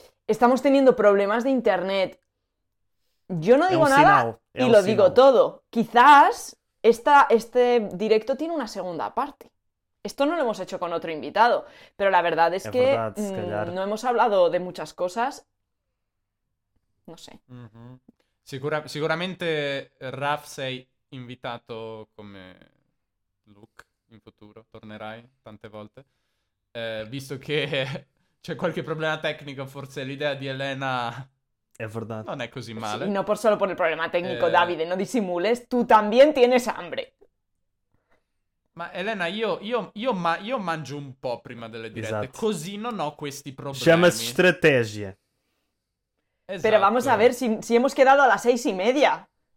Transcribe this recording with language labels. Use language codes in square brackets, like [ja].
[es] Estamos teniendo problemas de internet. Yo no digo nada y lo digo todo. Quizás... Este directo tiene una segunda parte. Esto no lo hemos hecho con otro invitado, pero la verdad es que no hemos hablado de muchas cosas. No sé. [it] Sicuramente Raph sei invitato come Luke in futuro, tornerai tante volte. Visto che c'è qualche problema tecnico, forse l'idea di Elena... È vero. Non è così male. Sì, no, por solo per il problema tecnico, Davide, [es] non dissimules. Tu también tienes hambre. [it] Ma Elena, io mangio un po' prima delle dirette. Esatto. Così non ho questi problemi. Chiamasi strategia. Esatto. [es] Pero vamos a ver si hemos quedado a las 6:30.